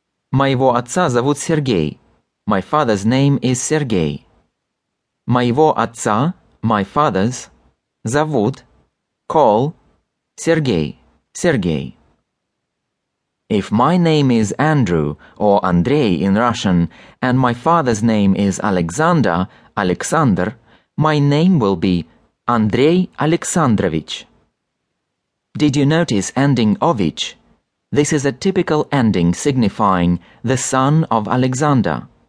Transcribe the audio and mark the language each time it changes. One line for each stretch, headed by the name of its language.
Russian: Моего отца зовут Сергей.
English: My father's name is Сергей.
Russian: Моего отца,
English: my father's,
Russian: зовут,
English: call,
Russian: Сергей, Сергей.
English: If my name is Andrew or Andrei in Russian and my father's name is Alexander, Alexander, my name will be Andrei Alexandrovich. Did you notice ending ovich? This is a typical ending signifying the son of Alexander.